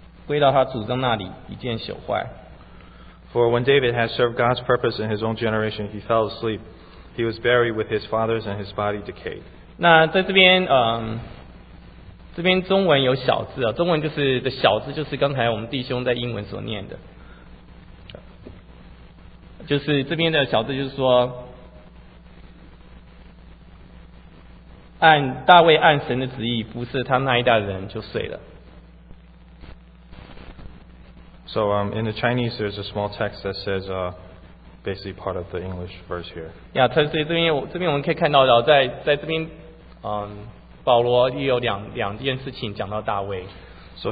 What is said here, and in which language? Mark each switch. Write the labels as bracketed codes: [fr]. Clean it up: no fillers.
[zh] 大卫在世的时候遵行的旨意就睡了，归到他祖宗那里，一见朽坏。 [en] For when David had served God's purpose in his own generation, he fell asleep. He was buried with his fathers and his body decayed. [zh] 那这边中文有小字，中文就是的小字，就是刚才我们弟兄在英文所念的，就是这边的小字，就是说按大卫按神的旨意服侍他那一代的人就睡了。So [en] in the Chinese, there's a small text that says basically part of the English verse here. [zh] Yeah,所以这边我们可以看到的，在这边。保罗也有两件事情讲到大卫。So